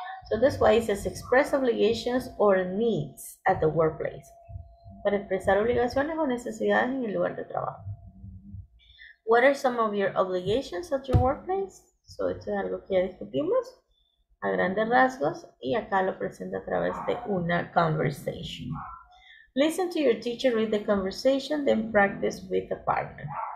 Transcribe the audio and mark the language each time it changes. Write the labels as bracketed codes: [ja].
[en] So that's why it says express obligations or needs at the workplace. [es] Para expresar obligaciones o necesidades en el lugar de trabajo. [en] What are some of your obligations at your workplace? [es] So esto es algo que ya discutimos a grandes rasgos y acá lo presenta a través de una conversation. [en] Listen to your teacher read the conversation, then practice with a partner.